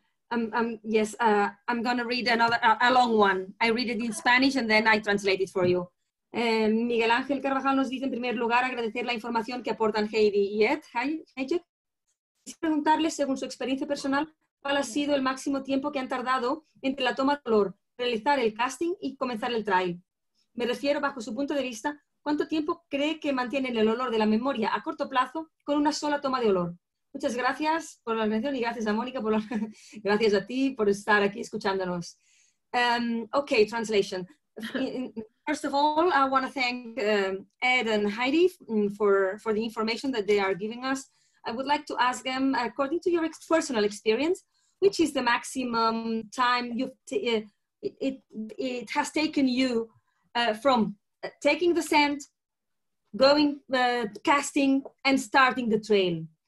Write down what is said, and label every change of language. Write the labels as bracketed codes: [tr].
[en] I'm going to read another, a long one. I read it in Spanish and then I translate it for you. [es] Miguel Ángel Carvajal nos dice, en primer lugar, agradecer la información que aportan Heidi y Ed. Hajek. Quisiera preguntarle, según su experiencia personal, ¿cuál ha sido el máximo tiempo que han tardado entre la toma de color, realizar el casting y comenzar el trial? Me refiero, bajo su punto de vista, ¿cuánto tiempo cree que mantienen el olor de la memoria a corto plazo con una sola toma de olor? Muchas gracias por la atención y gracias a Mónica por gracias a ti por estar aquí escuchándonos. [en] Okay, translation. First of all, I want to thank Ed and Heidi for the information that they are giving us. I would like to ask them, according to your personal experience, which is the maximum time it has taken you from taking the scent, going casting, and starting the trail?